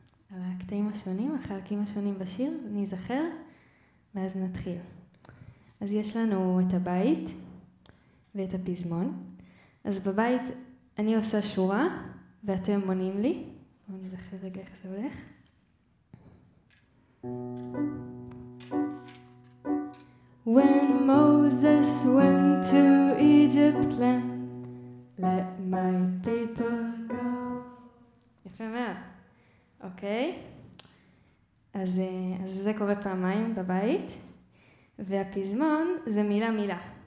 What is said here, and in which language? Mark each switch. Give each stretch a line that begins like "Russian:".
Hebrew: על הקטעים השונים, החלקים השונים בשיר, נזכר, ואז נתחיל. אז יש לנו את הבית ואת הפזמון. אז בבית אני עושה שורה ואתם מונים לי. בואו נזכר רגע איך זה הולך.
English: When Moses went to Egypt land, let my people go.
Hebrew: יפה מאוד. אוקיי. אז זה קורה פעמיים בבית, והפזמון זה מילה מילה.